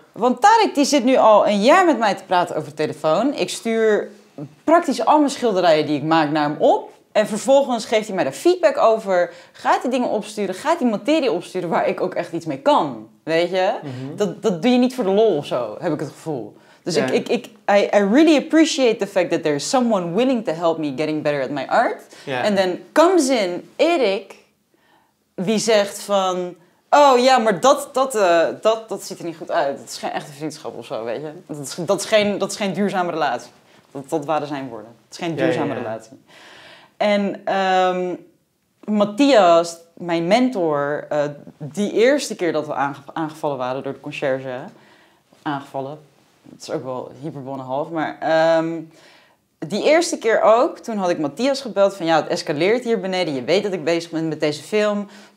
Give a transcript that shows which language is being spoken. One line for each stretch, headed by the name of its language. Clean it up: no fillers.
Dutch: Want Tarek die zit nu al een jaar met mij te praten over telefoon. Ik stuur praktisch al mijn schilderijen die ik maak naar hem op. En vervolgens geeft hij mij daar feedback over. Gaat hij dingen opsturen? Gaat hij materie opsturen waar ik ook echt iets mee kan? Weet je? Mm-hmm. Dat doe je niet voor de lol of zo, heb ik het gevoel. Dus
English: I really appreciate the fact that there is someone willing to help me getting better at my art. Yeah. And then comes in
Dutch: Erik, wie zegt van, oh ja, maar dat ziet er niet goed uit. Dat is geen echte vriendschap of zo, weet je? Dat is geen duurzame relatie. Dat waren zijn woorden. Het is geen duurzame relatie. En Matthias, mijn mentor, die eerste keer dat we aangevallen waren door de conciërge, aangevallen, het is ook wel hyperbonne half, maar die eerste keer ook, toen had ik Matthias gebeld van, ja, het escaleert hier beneden, je weet dat ik bezig ben met deze film.